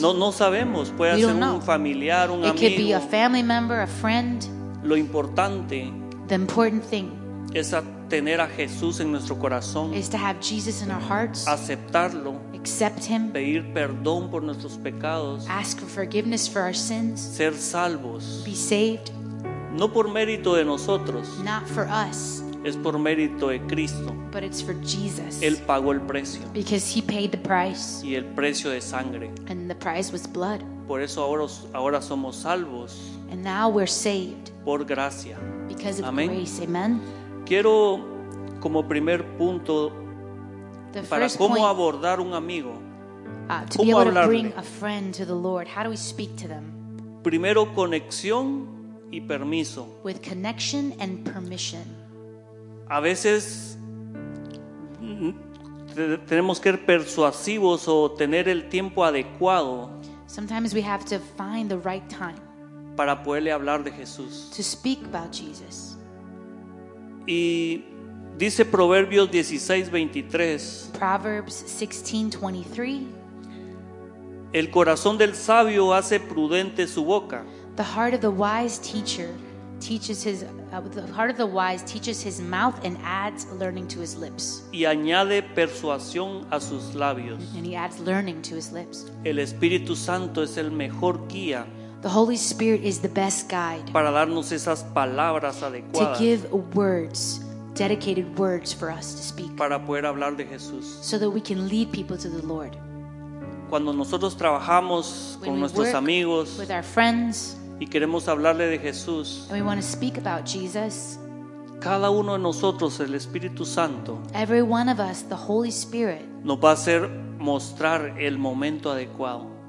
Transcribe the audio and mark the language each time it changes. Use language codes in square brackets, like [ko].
[es] No sabemos, puede ser un familiar, un amigo. [en] It could be a family member, a friend. [es] Lo importante, [en] the important thing, [es] es tener a Jesús en nuestro corazón. [en] Is to have Jesus in our hearts. [es] Aceptarlo. [en] Accept him. [es] Pedir perdón por nuestros pecados. [en] Ask for forgiveness for our sins. [es] Ser salvos. [en] Be saved. [es] No por mérito de nosotros. [en] Not for us. [es] Es por mérito de Cristo. [en] But it's for Jesus. [es] Él pagó el precio. [en] Because he paid the price. [es] Y el precio de sangre. [en] And the price was blood. [es] Por eso ahora somos salvos. [en] And now we're saved. [es] Por gracia. [en] Because of Amén. Grace. Amen. [es] Quiero como primer punto [en] the [es] para cómo [en] point, [es] abordar un amigo. [en] To [es] cómo [en] be able [es] hablarle. [en] To bring a friend to the Lord. How do we speak to them? [es] Primero conexión y permiso. [en] With connection and permission. [es] A veces tenemos que ser persuasivos o tener el tiempo adecuado. [en] Sometimes we have to find the right time [es] para poderle hablar de Jesús. [en] To speak about Jesus. [es] Y dice Proverbios 16:23. [en] Proverbs 16:23. [es] El corazón del sabio hace prudente su boca. [en] The heart of the wise teacher teaches his the heart of the wise teaches his mouth and adds learning to his lips. [es] Y añade persuasión a sus labios. [en] And he adds learning to his lips. [es] El Espíritu Santo es el mejor guía. [en] The Holy Spirit is the best guide. [es] Para darnos esas palabras adecuadas. [en] To give words, dedicated words for us to speak. [es] Para poder hablar de Jesús. [en] So that we can lead people to the Lord. [es] cuando nosotros trabajamos con nuestros amigos y queremos hablarle de Jesús, [en] and we want to speak about Jesus, [es] cada uno de nosotros, el Espíritu Santo, [en] every one of us, the Holy Spirit, [es] nos va a hacer mostrar el momento adecuado.